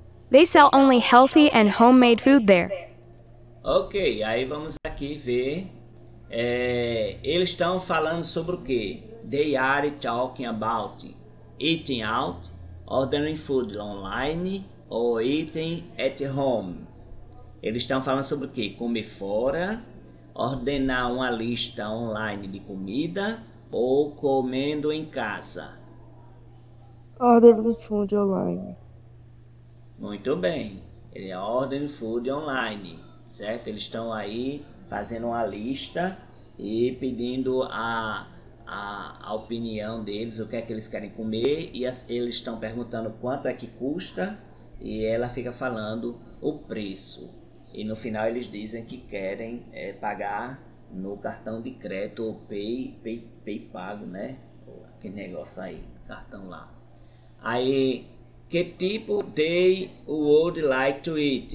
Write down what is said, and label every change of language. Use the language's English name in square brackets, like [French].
[English] They sell only healthy and homemade food there. [Portuguese] Ok, aí vamos aqui ver. Eles estão falando sobre o quê? [English] They are talking about eating out, ordering food online, or eating at home. [Portuguese] Eles estão falando sobre o quê? Comer fora, ordenar uma lista online de comida ou comendo em casa? [English] Ordering food online. [Portuguese] Muito bem. Ele é [English] ordering food online, [Portuguese] certo? Eles estão aí fazendo uma lista e pedindo a opinião deles, o que é que eles querem comer. E eles estão perguntando quanto é que custa e ela fica falando o preço. E no final eles dizem que querem pagar no cartão de crédito ou pay pago, né? Que negócio aí, cartão lá. Aí, que tipo [English] they would like to eat?